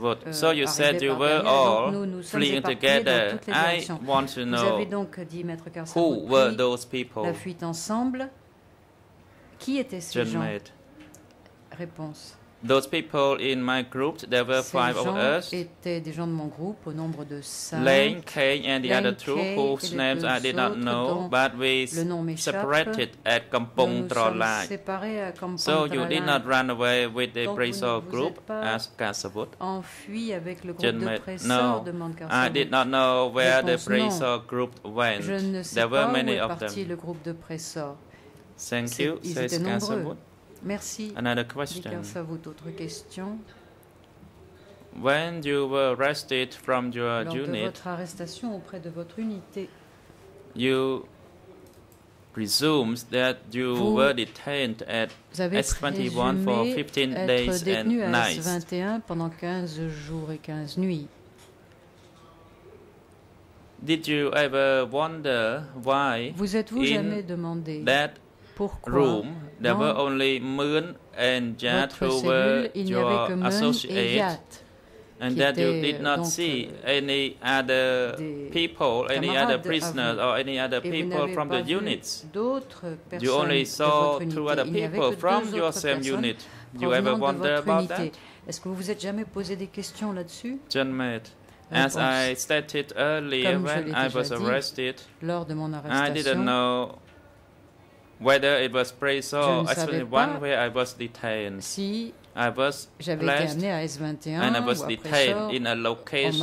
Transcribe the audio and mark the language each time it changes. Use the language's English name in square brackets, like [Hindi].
[English] So you said you were all fleeing together. I want to know who were those people. [French] La fuite ensemble. Qui étaient ces gens? Réponse. [English] Those people in my group, there were five of us. [French] Étaient des gens de mon groupe, au nombre de cinq. [English] Lane, Kay, and the other two, whose names I did not know, but we separated at Kampong Trolai. So you did not run away with the Prisor group, asked Kasavut. [French] Enfui avec le groupe de Prisor, demande Kasavut. [English] No, I did not know where the Prisor group went. There were many of them. [French] Je ne sais pas où est parti le groupe de Prisor. [English] Thank you, says Kasavut. [French] Merci. [English] Another question. [French] Ça vaut d'autres questions. [English] When you were arrested from your unit, [French] votre arrestation auprès de votre unité, [English] you presumed that you were detained at S21 for 15 days and nights. [French] S21 pendant 15 jours et 15 nuits. [English] Did you ever wonder why? [French] Vous êtes-vous jamais demandé [English] that [French] pourquoi? [English] Room, there were only Moon and Jat who were your associates, and that you did not see any other people, any other prisoners, or any other people from the units. You only saw two other people from your same unit. Do you ever wonder about that? [French] Est-ce que vous vous êtes jamais posé des questions là-dessus? [English] John Matt. As I stated earlier, when I was arrested, [French] lors de mon [English] I didn't know whether it was Preso or S21 where I was detained. [French] Si [English] I was placed and I was detained in a location.